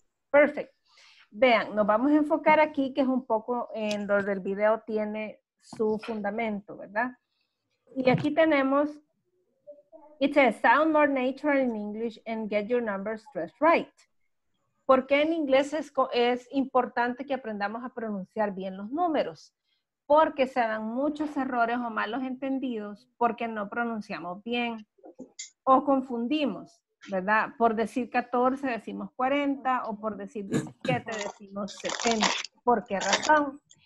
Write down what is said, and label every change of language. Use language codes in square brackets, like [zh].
[es] Perfect. Vean, nos vamos a enfocar aquí, que es un poco en lo del video, tiene su fundamento, ¿verdad? Y aquí tenemos... [en] It says, sound more natural in English and get your number stressed right. [es] ¿Por qué en inglés es importante que aprendamos a pronunciar bien los números? Porque se dan muchos errores o malos entendidos porque no pronunciamos bien o confundimos, ¿verdad? Por decir 14 decimos 40 o por decir 17 decimos 70. ¿Por qué razón?